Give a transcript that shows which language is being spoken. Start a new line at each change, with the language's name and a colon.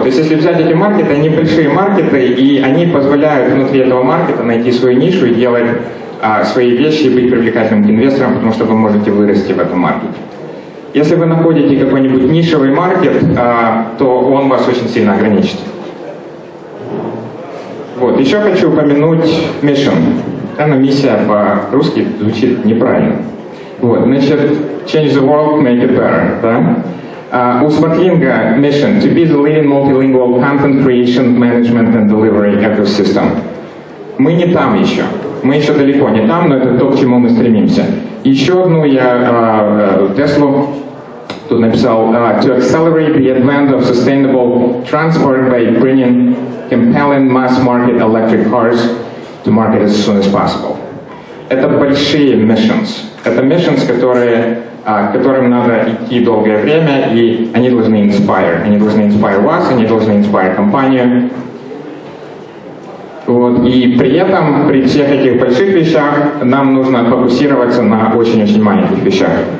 Russian: То есть если взять эти маркеты, они большие маркеты, и они позволяют внутри этого маркета найти свою нишу и делать свои вещи и быть привлекательным к инвесторам, потому что вы можете вырасти в этом маркете. Если вы находите какой-нибудь нишевый маркет, то он вас очень сильно ограничит. Вот. Еще хочу упомянуть mission. Это миссия по-русски звучит неправильно. Вот, значит,
English: change the world, make it better,
Russian: да?
English: У Smartlinga mission to be the leading multilingual content creation, management and delivery ecosystem.
Russian: Мы не там еще. Мы еще далеко не там, но это то, к чему мы стремимся. Еще одну я Теслу тут написал.
English: To accelerate the advent of sustainable transport by bringing compelling mass market electric cars to market as soon as possible.
Russian: Это большие missions. Это missions, которым надо идти долгое время, и они должны inspire. Они должны inspire вас, они должны inspire компанию. Вот. И при этом, при всех этих больших вещах, нам нужно фокусироваться на очень-очень маленьких вещах.